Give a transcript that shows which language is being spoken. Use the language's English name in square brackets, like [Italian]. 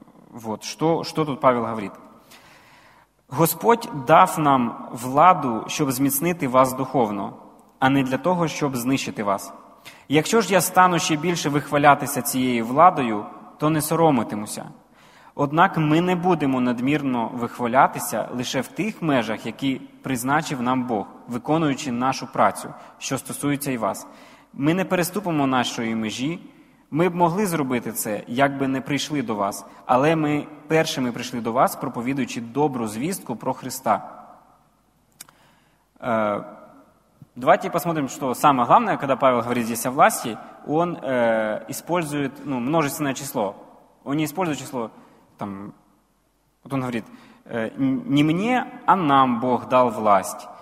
[Russian] Вот, что тут Павел говорит. [Ukrainian] «Господь дав нам владу, щоб зміцнити вас духовно, а не для того, щоб знищити вас. Якщо ж я стану ще більше вихвалятися цією владою, то не соромитимуся». Однак ми не будемо надмірно вихвалятися лише в тих межах, які призначив нам Бог, виконуючи нашу працю, що стосується і вас. Ми не переступимо нашої межі. Ми б могли зробити це, якби не прийшли до вас. Але ми першими прийшли до вас, проповідуючи добру звістку про Христа. [Russian] Давайте посмотрим, что самое главное, когда Павел говорит здесь о власти, он использует ну, множественное число. Он не использует число там, вот он говорит, не мне, а нам Бог дал власть.